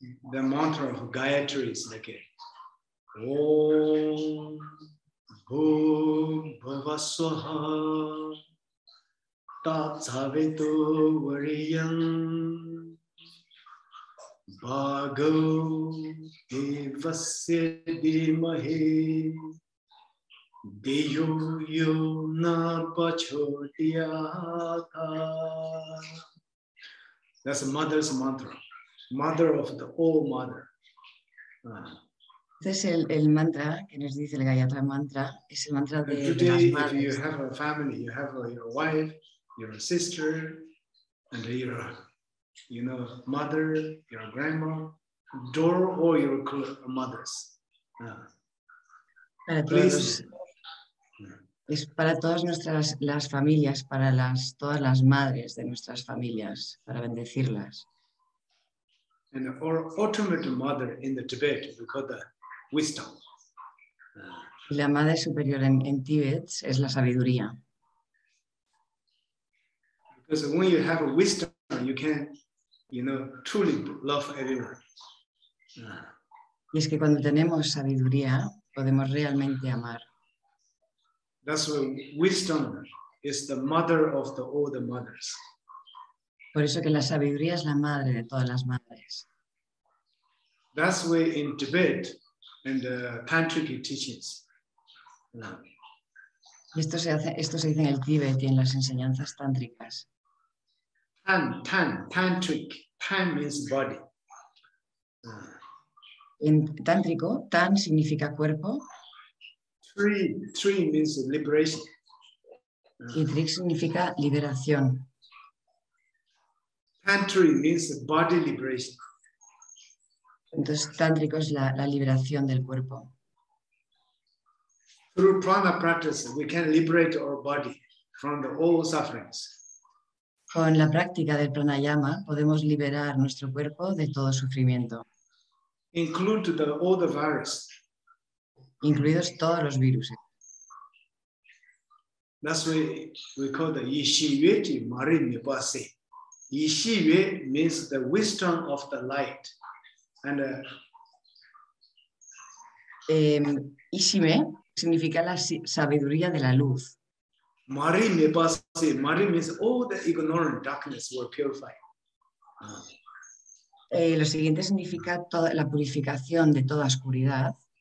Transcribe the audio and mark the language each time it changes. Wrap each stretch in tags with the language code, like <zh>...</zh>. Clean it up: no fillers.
<en>The mantra of Gayatri is like</en> <sa>Om Om Bhavasoha Tatsavito Variyam Bhago Devasya Dimahe Deyo Yona Pachodiyata.</sa> <en>That's a mother's mantra. Mother of the old mother.</en> <es>Entonces el mantra que nos dice el Gayatri mantra es el mantra de las madres.</es> <en>If you have a family, you have your wife, your sister, and your, you know, mother, your grandma, daughter, or your mothers.</en> <es>Para todos los, es para todas nuestras las familias, para las todas las madres de nuestras familias, para bendecirlas.</es> <en>And our ultimate mother in the Tibet, we call the wisdom.</en> <es>La madre superior en Tibet es la sabiduría.</es> <en>Because when you have a wisdom, you can, you know, truly love everyone.</en> <es>Y es que cuando tenemos sabiduría, podemos realmente amar.</es> <en>That's why wisdom is the mother of the all the mothers.</en> <es>Por eso que la sabiduría es la madre de todas las madres.</es> <en>That's why in Tibet and the tantric teachings.</en> <es>Y esto se dice en el Tíbet y en las enseñanzas tántricas.</es> <en>Tantric. Tan means body.</en> <es>En tántrico, tan significa cuerpo.</es> <en>Three means liberation.</en> <es>Y trik significa liberación.</es> <en>Tantric means body liberation.</en> <es>Entonces, tántrico es la liberación del cuerpo.</es> <en>Through prana practice, we can liberate our body from the old sufferings.</en> <es>Con la práctica del pranayama podemos liberar nuestro cuerpo de todo sufrimiento.</es> <en>Include the old virus.</en> <es>Incluidos todos los virus.</es> <en>That's why we call the</en> <bo>yishiyue ji mari mipase.</bo> <en>Yishiyue means the wisdom of the light. And</en> <es>Ishime significa la sabiduría de la luz.</es> <bo>Mari mepase.</bo> <en>Mari means all the ignorant darkness were purified.</en> <es>Lo siguiente significa toda la purificación de toda oscuridad.</es>